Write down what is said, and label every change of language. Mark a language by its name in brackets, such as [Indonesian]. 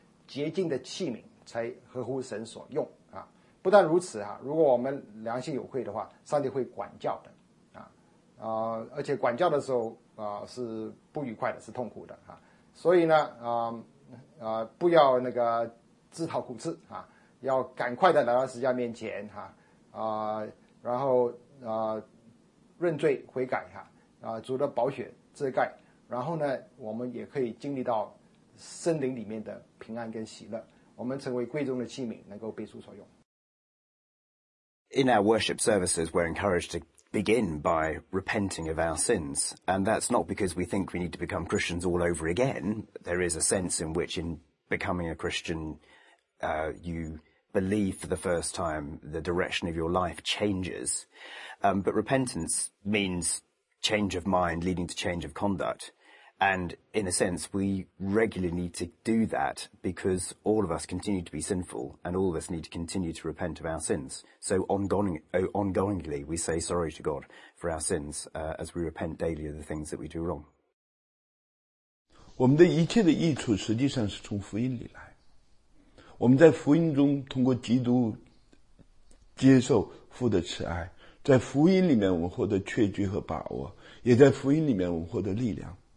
[Chinese] 悔改人子非常重要了，我们需要在神面前保持一个洁净的良心，否则的话，我们跟上帝的沟通就可以说是不畅通了，好像祷告的时候祷告达到天花板就弹下来了，那么我们良心有愧的话，上帝不能使用我们，我们必须要成为洁净的器皿，才合乎神所用。不但如此，如果我们良心有愧的话，上帝会管教的，而且管教的时候是不愉快的，是痛苦的，所以呢，不要自讨苦吃，要赶快的来到神家面前，然后认罪悔改，主的宝血遮盖，然后呢，我们也可以经历到圣灵里面的平安跟喜乐，我们成为贵重的器皿，能够被主所用。 [English] In our worship services, we're encouraged to begin by repenting of our sins. And that's not because we think we need to become Christians all over again. There is a sense in which in becoming a Christian, you believe for the first time the direction of your life changes. But repentance means change of mind leading to change of conduct. And in a sense, we regularly need to do that because all of us continue to be sinful and all of us need to continue to repent of our sins. So ongoingly, we say sorry to God for our sins as we repent daily of the things that we do wrong. [Chinese] 我们的一切的益处实际上是从福音里来。我们在福音中通过基督接受父的慈爱，在福音里面我们获得确据和把握，也在福音里面我们获得力量。